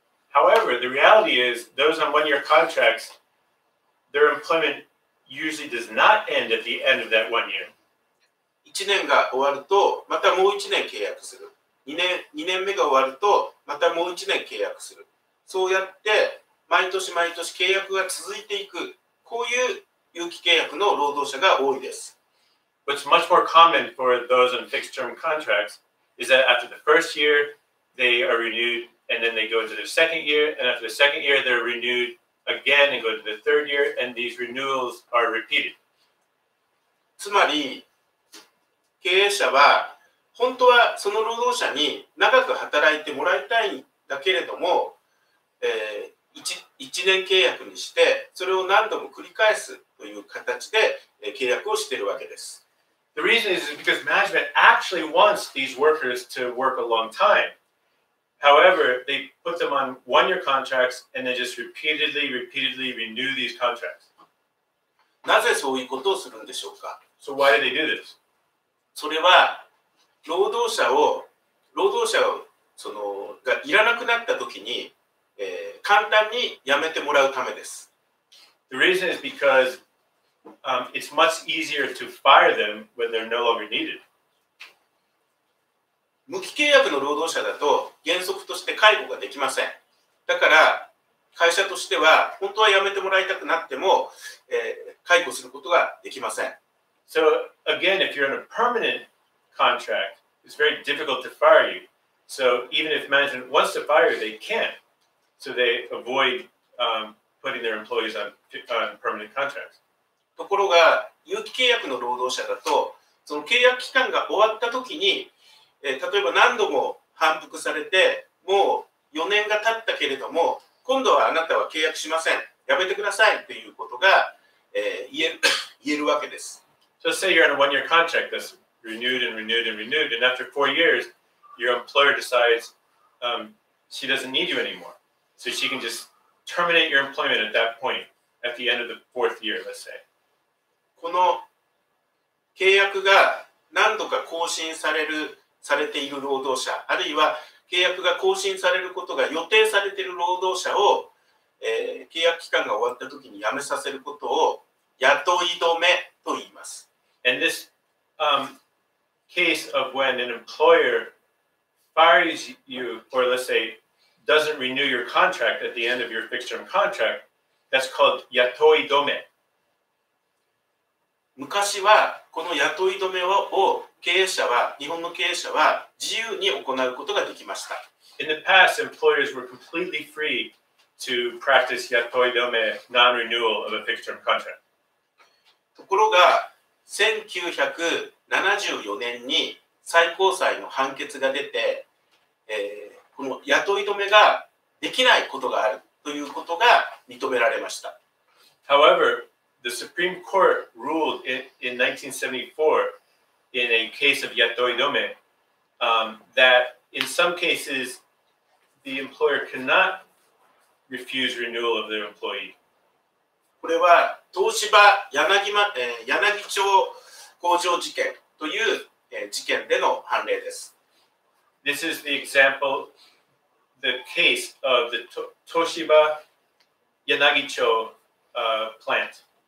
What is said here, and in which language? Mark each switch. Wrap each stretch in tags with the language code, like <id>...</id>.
<en>However, the reality is, those on one-year contracts, their employment usually does not end at the end of that 1 year.</en> <ja>1年が終わると、またもう1年契約する。2年目が終わると、またもう1年契約する。そうやって、毎年毎年契約が続いていく、こういう有期契約の労働者が多いです。</ja> <en>What's much more common for those on fixed term contracts is that after the first year, they are renewed, and then they go into their second year, and after the second year, they're renewed again and go to the third year, and these renewals are repeated.</en> <ja>つまり、経営者は本当はその労働者に長く働いてもらいたいんだけれども、 1年契約にして、それを何度も繰り返すという形で契約をしているわけです。</ja> <en>The reason is because management actually wants these workers to work a long time. However, they put them on one-year contracts and they just repeatedly renew these contracts.</en> <ja>なぜそういうことをするんでしょうか?</ja> <en>So why do they do this?</en> <ja>それは労働者をそのがいらなくなったときに、簡単に辞めてもらうためです。</ja> <en>The reason is because, it's much easier to fire them when they're no longer needed.</en> <ja>無期契約の労働者だと原則として解雇ができません。だから会社としては本当は辞めてもらいたくなっても、解雇することができません。</ja> <en>So again, if you're in a permanent contract, it's very difficult to fire you. So even if management wants to fire you, they can't. So they avoid, putting their employees on permanent contracts.</en> <ja>ところが有期契約の労働者だと、その契約期間が終わったときに、例えば何度も反復されて、もう4年が経ったけれども、今度はあなたは契約しません。やめてくださいということが、言えるわけです。</ja> <en>So say you're on a one-year contract that's renewed and renewed and renewed, and after 4 years, your employer decides, she doesn't need you anymore. So she can just terminate your employment at that point, at the end of the fourth year, let's say.</en> <ja>この契約が何度か更新されている労働者、あるいは契約が更新されることが予定されている労働者を、契約期間が終わったときに辞めさせることを雇い止めと言います。</ja> <en>And this, case of when an employer fires you, or let's say, doesn't renew your contract at the end of your fixed term contract, that's called 雇い止め。</en> <ja>昔はこの雇い止めを日本の経営者は自由に行うことができました。</ja> <en>In the past, employers were completely free to practice 雇い止め non-renewal of a fixed term contract.</en> <ja>ところが1974年に最高裁の判決が出て、この雇い止めができないことがあるということが認められました。</ja> <en>However, the Supreme Court ruled in 1974 in a case of 雇い止め that in some cases the employer cannot refuse renewal of their employee.</en> <ja>これは東芝 柳町工場事件という、事件での判例です。</ja> <en>This is the example, the case of the 東芝柳町、plant.</en>